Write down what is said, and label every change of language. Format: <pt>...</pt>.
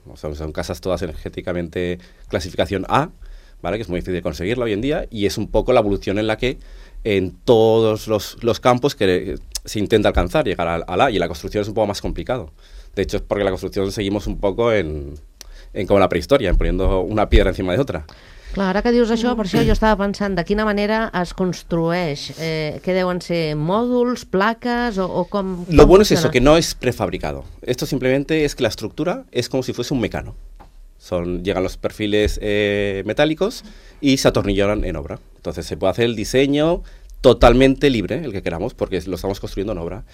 <es>O sea, son casas todas energéticamente clasificación A, ¿vale?, que es muy difícil conseguirla hoy en día, y es un poco la evolución en la que en todos los campos que se intenta alcanzar, llegar a la, y la construcción es un poco más complicado. De hecho, es porque la construcción seguimos un poco en como la prehistoria, en poniendo una piedra encima de otra.</es> <ca>Clar, ara que dius això, per això jo estava pensant de quina manera es construeix. Què deuen ser? Mòduls, plaques o com funciona?</ca> <es>Lo bueno es eso, que no es prefabricado. Esto simplemente es que la estructura es como si fuese un mecano. Llegan los perfiles metálicos y se atornillan en obra. Entonces se puede hacer el diseño totalmente libre, el que queramos, porque lo estamos construyendo en obra.</es>